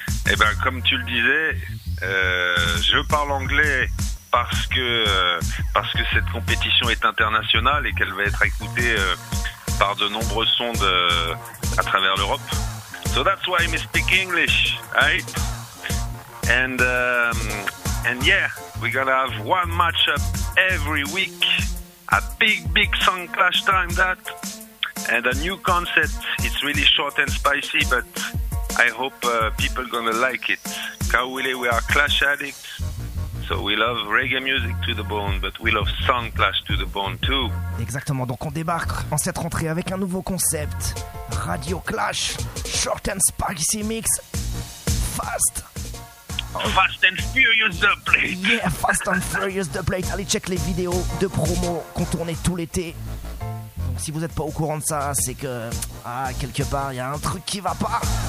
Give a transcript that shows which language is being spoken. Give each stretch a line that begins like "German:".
French: Eh ben comme tu le disais, je parle anglais parce que cette compétition est internationale et qu'elle va être écoutée par de nombreux sondes à travers l'Europe.
English: So that's why I'm speaking English, right? And yeah, we're gonna have one matchup every week. A big, big song clash time that. And a new concept. It's really short and spicy, but I hope people gonna like it. Kaoulé, we are clash addicts. So we love reggae music to the bone, but we love song clash to the bone too.
French: Exactement, donc on débarque en cette rentrée avec un nouveau concept.
English: Radio Clash, short and spicy mix, fast. Fast and furious the plate. Yeah, fast and furious the plate.
French: Allez check les vidéos de promo qu'on tournait tout l'été. Donc si vous n'êtes pas au courant de ça, c'est que, ah, quelque part, il y a un truc qui va pas.